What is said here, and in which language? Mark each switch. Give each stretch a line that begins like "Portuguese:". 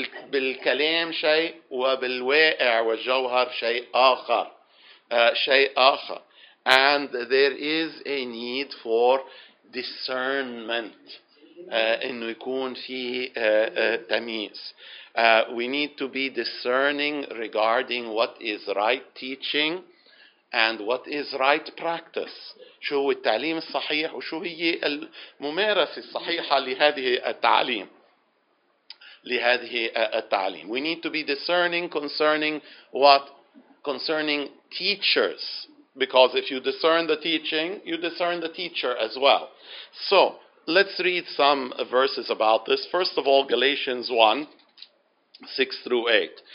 Arabic: بالكلام شيء وبالواقع والجوهر شيء آخر شيء آخر.
English: And there is a need for discernment.
Arabic: إنه يكون في تمييز.
English: We need to be discerning regarding what is right teaching and what is right practice.
Arabic: شو هو التعليم الصحيح وشو هي الممارسة الصحيحة لهذه التعليم. لهذه التعليم.
English: We need to be discerning concerning what? Concerning teachers. Because if you discern the teaching, you discern the teacher as well. So, let's read some verses about this. First of all, Galatians 1, 6 through 8.